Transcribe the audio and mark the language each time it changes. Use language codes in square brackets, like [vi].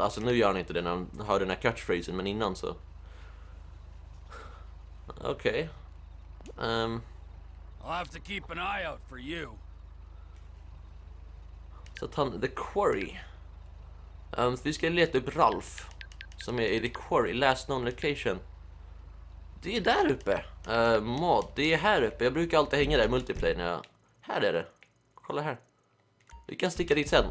[sv] Alltså nu gör han inte det när han hör den här catchphrasen, men innan så... Okej. Okay. [en] I'll have to keep an eye out for you. [sv] Så han, the quarry. Vi ska leta upp Ralf som är i the quarry, [en] last known location. [sv] Det är där uppe. Mod, det är här uppe. Jag brukar alltid hänga där i multiplayer när jag... Här är det. Kolla här. Vi kan sticka dit sen.